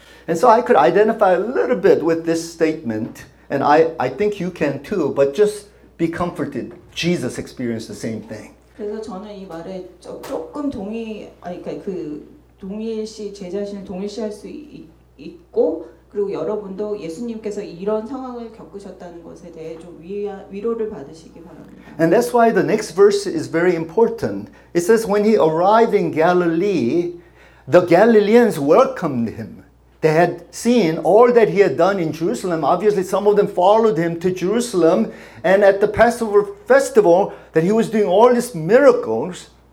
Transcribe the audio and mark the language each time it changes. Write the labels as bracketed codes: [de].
[en] And so I could identify a little bit with this statement, and I think you can too. But just be comforted. Jesus experienced the same thing. [ko] 그래서 저는 이 말에 조금 동일시 제 자신을 동일시할 수 있고 그리고 여러분도 예수님께서 이런 상황을 겪으셨다는 것에 대해 좀 위로를 받으시기 바랍니다. [en] And that's why the next verse is very important. It says when he arrived in Galilee, the Galileans welcomed him. They had seen all that he had done in Jerusalem. Obviously, some of them followed him to Jerusalem. And at the Passover festival, that he was doing all these miracles.